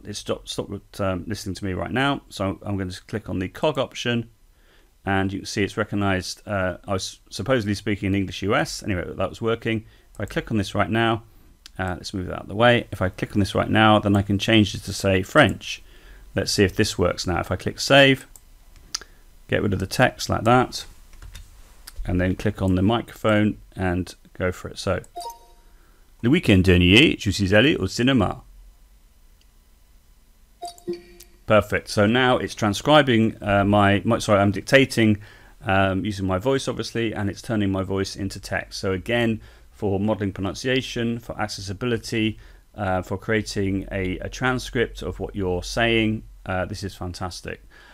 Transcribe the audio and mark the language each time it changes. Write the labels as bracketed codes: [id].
[en] It's stopped listening to me right now, so I'm going to click on the cog option, and you can see it's recognized I was supposedly speaking in English US anyway, but that was working. If I click on this right now, let's move that out of the way. If I click on this right now, then I can change it to say French. Let's see if this works now. If I click save, get rid of the text like that, and then click on the microphone and go for it. [fr] So, le week-end dernier, je suis allé au cinéma. [en] Perfect. So now it's transcribing I'm dictating using my voice, obviously, and it's turning my voice into text. So again, for modeling pronunciation, for accessibility, for creating a transcript of what you're saying, this is fantastic.